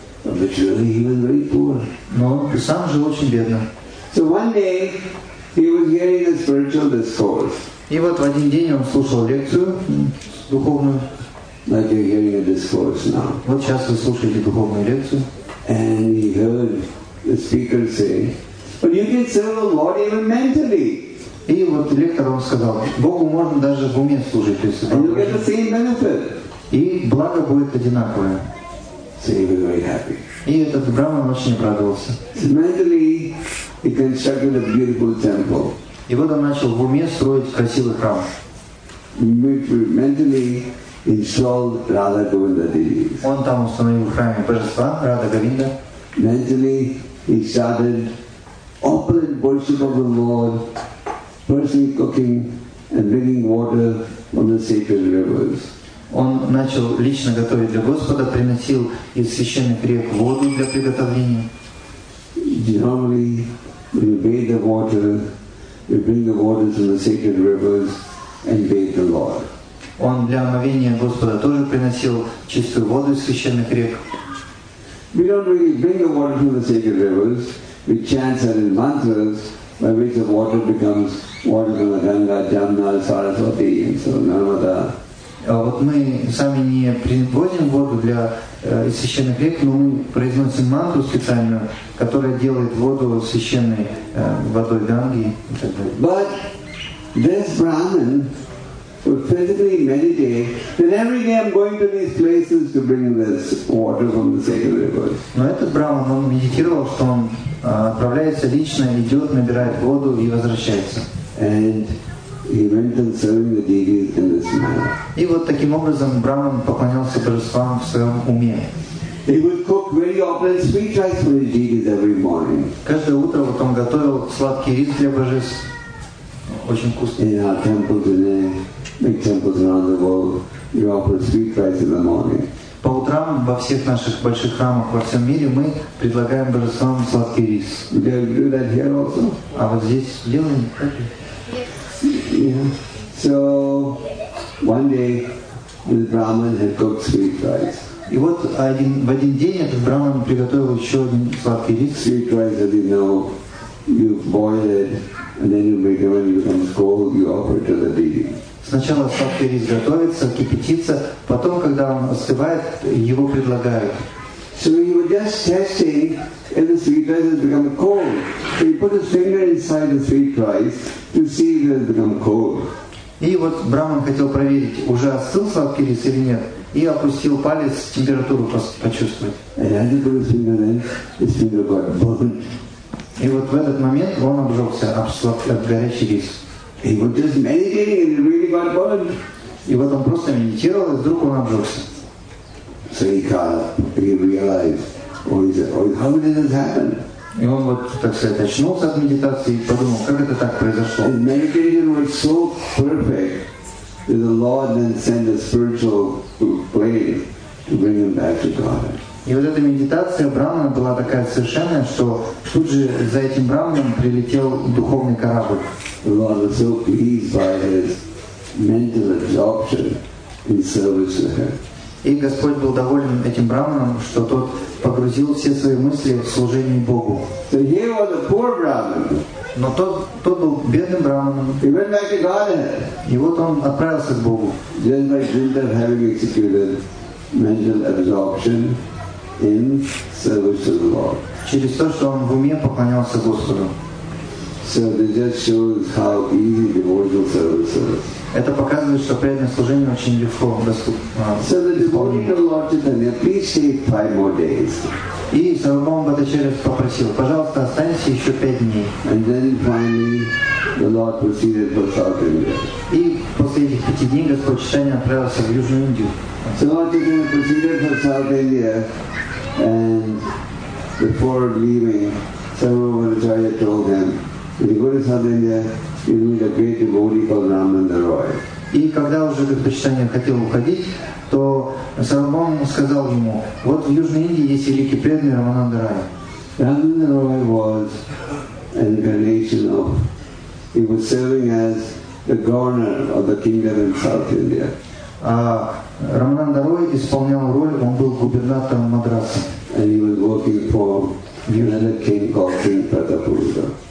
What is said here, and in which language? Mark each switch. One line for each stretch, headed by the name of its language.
English: But really he was very poor.
Russian: Но он сам жил очень бедно.
English: So one day he was hearing a spiritual discourse.
Russian: И вот в один день он слушал лекцию духовную.
English: Like you're hearing a discourse now.
Russian: Вот сейчас вы слушаете духовную лекцию.
English: And he heard the speaker say, but you can serve the Lord even mentally.
Russian: И вот лектор вам сказал, Богу можно даже в уме служить.
English: And you'll get the same benefit.
Russian: И благо будет одинаковое.
English: So he was very happy.
Russian: И этот Брахман очень обрадовался.
English: So mentally he constructed a beautiful temple.
Russian: И вот он начал в уме строить красивый храм.
English: Mentally he installed Radha Govinda Devi.
Russian: Он там установил в храме божества Радха Говинда.
English: Mentally he started opulent worship of the Lord, personally cooking and bringing water from the sacred rivers.
Russian: Он начал лично готовить для Господа, приносил из священных рек воду для приготовления.
English: Generally, we bathe the water, we bring the water to the sacred rivers and bathe the Lord.
Russian: Он для омовения Господа тоже приносил чистую воду из священных рек.
English: We don't really bring the water to the sacred rivers. We chant certain mantras by which the water becomes water from the Ganga, Jamna, Saraswati, and so on.
Russian: Вот мы сами не производим воду для священных рек, но мы произносим мантру специальную, которая делает воду священной водой Ганги.
English: But this Brahmin would physically meditate that every day I'm going to these places to bring this water from the sacred rivers.
Russian: Но этот Брахман, он медитировал, что он отправляется лично, идет, набирает воду и возвращается.
English: And he went and served the deities in this manner.
Russian: И вот таким образом Брахман поклонялся божествам в своем уме.
English: He would cook very often sweet rice for the deities every morning.
Russian: Каждое утро вот он готовил сладкий рис для божеств. Очень вкусный.
English: In our temples in the big temples around the world, you offer sweet rice in the morning.
Russian: По утрам во всех наших больших храмах во всем мире мы предлагаем божествам сладкий рис.
English: Do you do that here also?
Russian: А вот здесь делаем.
English: Yeah. So one day this Brahmin had cooked sweet rice.
Russian: И вот один в один день этот Брахман приготовил еще один сладкий рис.
English: Sweet rice, as you know, you boil it and then you make it when it becomes cold, you offer it to the deity.
Russian: Сначала сладкий рис готовится, кипятится, потом, когда он остывает, его предлагают.
English: So you were just testing if the sweet rice has become cold. So you put his finger inside the sweet rice to see if it has become cold.
Russian: И вот Брахман хотел проверить, уже остыл сладкий рис или нет, и опустил палец, температуру почувствовать.
English: And as he put his finger in, his finger got burnt.
Russian: И вот в этот момент он обжегся об сладкий, об горячий рис.
English: He was just meditating and it really got burnt.
Russian: И вот он просто медитировал, и вдруг он обжегся.
English: So he called, he realized, oh, he said, oh, how did this happen?
Russian: И он вот, так сказать, очнулся от медитации и подумал, как это так произошло?
English: His meditation was so perfect that the Lord then sent a spiritual plane to bring him back to God.
Russian: И вот эта медитация Брахмана была такая совершенная, что тут же за этим Брахманом прилетел духовный корабль.
English: The Lord was so pleased by his mental absorption in service to him.
Russian: И Господь был доволен этим Брахманом, что тот погрузил все свои мысли в служение Богу.
English: So he was a poor Brahman.
Russian: Но тот был бедным Брахманом.
English: He went back to God.
Russian: И вот он отправился к Богу.
English: Just by dint of having executed mental absorption in service to the Lord.
Russian: Через то, что он в уме поклонялся Господу.
English: So this just shows how easy devotional service is.
Russian: Это показывает, что преданное служение очень легко доступно.
English: So the devotee to Lord Chaitanya, please stay 5 more days.
Russian: И Сарвабхаума Бхаттачарья попросил, пожалуйста, останься еще 5 дней.
English: And then finally, the Lord proceeded to South India.
Russian: И после этих 5 дней Господь Чайтанья отправился в Южную Индию.
English: So Lord Chaitanya proceeded to South India, and before leaving, Sarvabhauma Bhattacharya told him, when you go to South India, you meet a great devotee called Ramananda Roy.
Russian: И когда уже Господь хотел уходить, то Сарвабхаум сказал ему, вот в Южной Индии есть великий преданный Рамананда Рай.
English: Ramananda Roy was an incarnation of, he was serving as the governor of the kingdom in South India.
Russian: А Рамананда Рой исполнял роль, он был губернатором Мадраса.
English: And he was working for another king called King Pratapurudra.